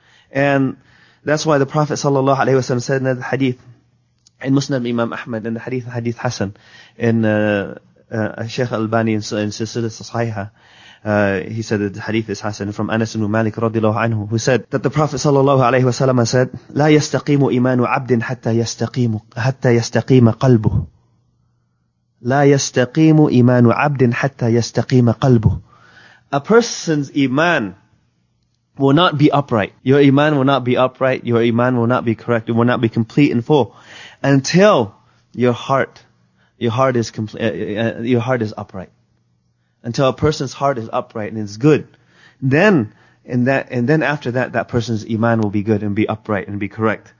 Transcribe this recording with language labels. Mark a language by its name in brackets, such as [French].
[English] And that's why the Prophet sallallahu alaihi wasallam said in the hadith, in Muslim Imam Ahmad, in the Hadith Hassan, in Shaykh Albani in Silsilat Sahihah, he said that the Hadith is Hassan from Anas ibn Malik radiallahu anhu, who said that the Prophet sallallahu alaihi wasallam said, [Arabic] لا يستقيم إيمان عبد حتى يستقيم قلبه. لا يستقيم إيمان عبد حتى يستقيم قلبه. [English] A person's iman will not be upright. Your iman will not be upright. Your iman will not be correct. It will not be complete and full until your heart is upright. Until a person's heart is upright and it's good, then after that person's iman will be good and be upright and be correct.